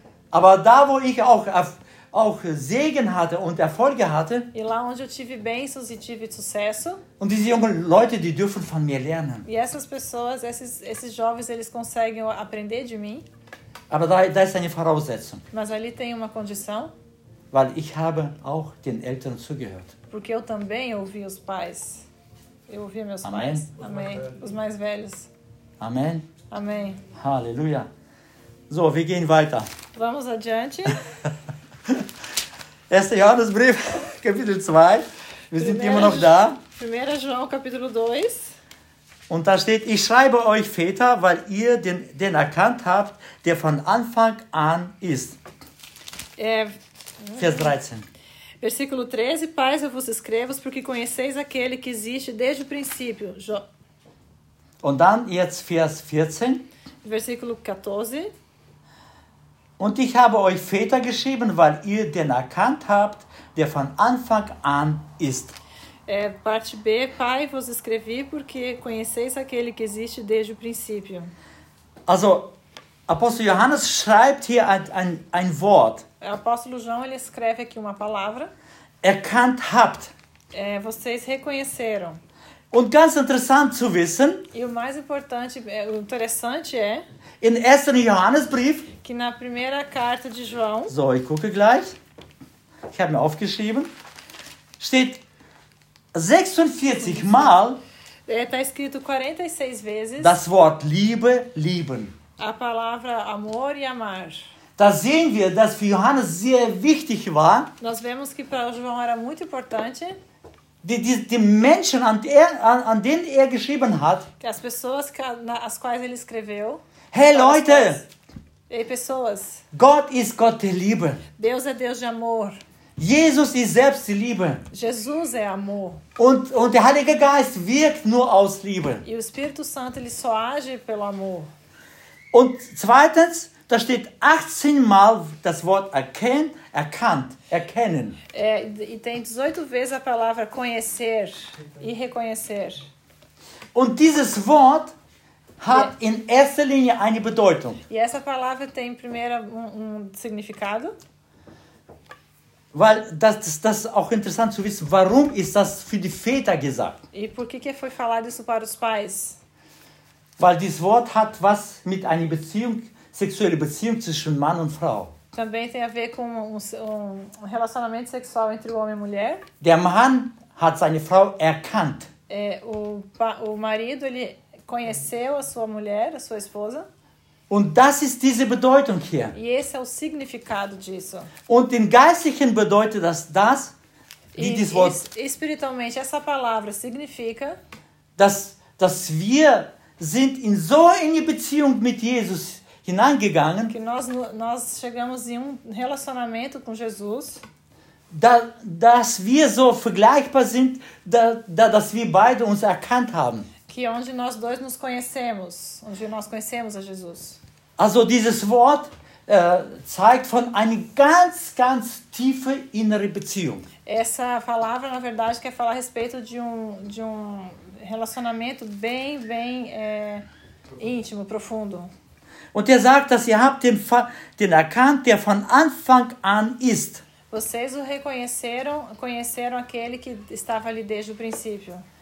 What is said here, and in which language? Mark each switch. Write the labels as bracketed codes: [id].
[de] aber da wo ich auch Segen hatte und Erfolge hatte, [pt] e lá onde eu tive bênçãos e tive sucesso, [de] und diese jungen Leute, die dürfen von mir lernen. [pt] E essas pessoas, esses jovens, eles conseguem aprender de mim. [de] Aber da ist eine Voraussetzung. [pt] Mas ali tem uma condição. [de] Weil ich habe auch den Eltern zugehört. [pt] Porque eu também ouvi os pais. Eu ouvi meus Amém. Pais. Amém. Os mais velhos. Amém. Amém. [de] Aleluia. So, wir gehen weiter. [pt] Vamos adiante. [de] 1. Johannesbrief, Kapitel 2. Wir sind immer noch da. [pt] 1. João, Kapitel 2. [de] Und da steht, ich schreibe euch Väter, weil ihr den erkannt habt, der von Anfang an ist. Vers 13. [pt] Versículo 13, pais, eu vos escrevo porque conheceis aquele que existe desde o princípio. [de] Und dann jetzt Vers 14. [pt] Versículo 14. [de] Und ich habe euch Väter geschrieben, weil ihr den erkannt habt, der von Anfang an ist. [pt] Parte B, pai, vos escrevi porque conheceis aquele que existe desde o princípio. [de] Also, Apostel Johannes schreibt hier ein Wort. [pt] Apóstolo João, ele escreve aqui uma palavra. [de] Erkannt habt. [pt] Vocês reconheceram. [de] Und ganz interessant zu wissen. [pt] E o mais importante, interessante é. [de] In ersten Johannesbrief. [pt] Que na primeira carta de João. [de] So, ich gucke gleich. Ich habe mir aufgeschrieben. Steht 46 mal. [pt] Está escrito 46 vezes. [de] Das Wort Liebe, lieben. [pt] A palavra amor e amar. [de] Da sehen wir, dass für Johannes sehr wichtig war. [pt] Nós vemos que para João era muito importante. [de] Die Menschen, an denen er geschrieben hat. [pt] Que as pessoas nas quais ele escreveu. [de] Hey Leute! [pt] Ei pessoas! [de] Gott ist Gott der Liebe. [pt] Deus é Deus de amor. [de] Jesus ist selbst die Liebe. [pt] Jesus é amor. [de] Und der Heilige Geist wirkt nur aus Liebe. [pt] E o Espírito Santo ele só age pelo amor. [de] Und zweitens. Da steht 18 mal das Wort erkennen. [pt] E tem 18 vezes a palavra conhecer e reconhecer. [de] Und dieses Wort hat in erster Linie eine Bedeutung. [pt] E essa palavra tem primeiro significado. [de] Weil das auch interessant zu wissen, warum ist das für die Väter gesagt? [pt] E por que foi falado isso para os pais? [de] Weil dieses Wort hat was mit einer Beziehung sexuelle Beziehung zwischen Mann und Frau. [pt] Também tem a ver com um relacionamento sexual entre o homem e mulher. [de] Der Mann hat seine Frau erkannt. [pt] O marido ele conheceu a sua mulher, a sua esposa. [de] Und das ist diese Bedeutung hier. [pt] E esse é o significado disso. [de] Und im Geistlichen bedeutet das, wie dieses Wort. [pt] Espiritualmente essa palavra significa. [de] Dass wir sind in so eine Beziehung mit Jesus. Hineingegangen, [pt] que nós chegamos em um relacionamento com Jesus, [de] dass wir so vergleichbar sind, dass wir beide uns erkannt haben. [pt] Que onde nós dois nos conhecemos, onde nós conhecemos a Jesus. [de] Also dieses Wort zeigt von einer ganz, ganz tiefe innere Beziehung. [pt] Essa palavra, na verdade, quer falar a respeito de um relacionamento bem, bem íntimo, profundo. [de] Und er sagt, dass ihr habt den erkannt, der von Anfang an ist. [pt] Vocês o reconheceram, conheceram aquele que estava ali desde o princípio.